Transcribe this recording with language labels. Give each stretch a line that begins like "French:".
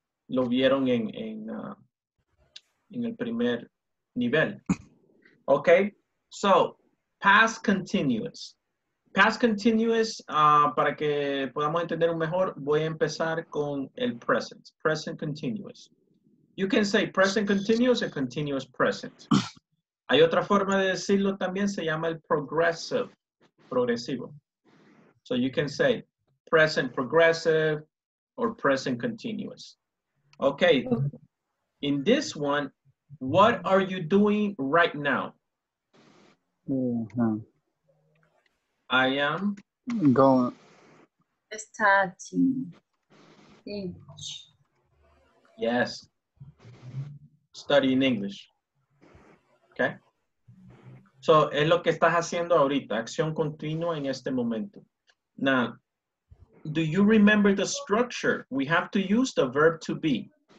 Spanish: lo vieron en el primer nivel.
English: Okay, so past continuous.
Spanish: Past continuous, para que podamos entender mejor, voy a empezar con el present.
English: Present continuous. You can say present continuous and continuous present.
Spanish: Hay otra forma de decirlo también, se llama el progressive, progresivo.
English: So you can say present progressive or present continuous. Okay, in this one, what are you doing right now? Mm-hmm. I am going studying English. Yes, studying English. Okay, so
Spanish: es lo que estás haciendo ahorita, acción continua en este momento.
English: Now, do you remember the structure? We have to use the verb to be.